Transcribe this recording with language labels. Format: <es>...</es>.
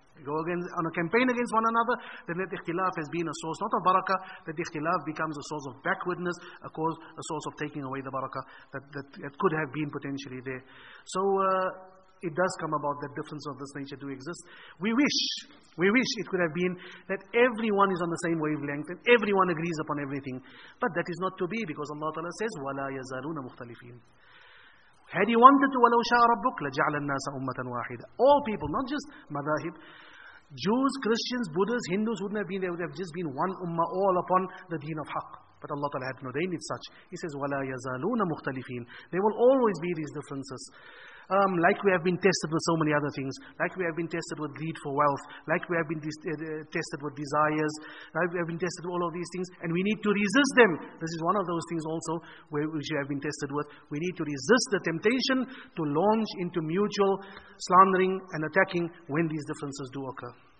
<en>Go against, on a campaign against one another, then that ikhtilaf has been a source, not of barakah, that ikhtilaf becomes a source of backwardness, a source of taking away the barakah that could have been potentially there. So it does come about that differences of this nature do exist. We wish it could have been that everyone is on the same wavelength and everyone agrees upon everything. But that is not to be, because Allah Ta'ala says,</en> <ar>وَلَا يَزَالُونَ مُخْتَلِفِينَ.</ar> <en>Had you wanted to,</en> <ar>وَلَوْ شَاءَ رَبُّكَ لَجَعْلَ النَّاسَ أُمَّةً وَاحِدًا.</ar> <en>All people, not just madhahib, Jews, Christians, Buddhas, Hindus, wouldn't have been there. Would have just been one ummah all upon the deen of haqq. But Allah Ta'ala had ordained it such. He says,</en> <ar>وَلَا يَزَالُونَ مُخْتَلِفِينَ.</ar> <en>There will always be these differences. Like we have been tested with so many other things, like we have been tested with greed for wealth, like we have been tested with desires, like we have been tested with all of these things, and we need to resist them. This is one of those things also where we have been tested with. We need to resist the temptation to launch into mutual slandering and attacking when these differences do occur.</en>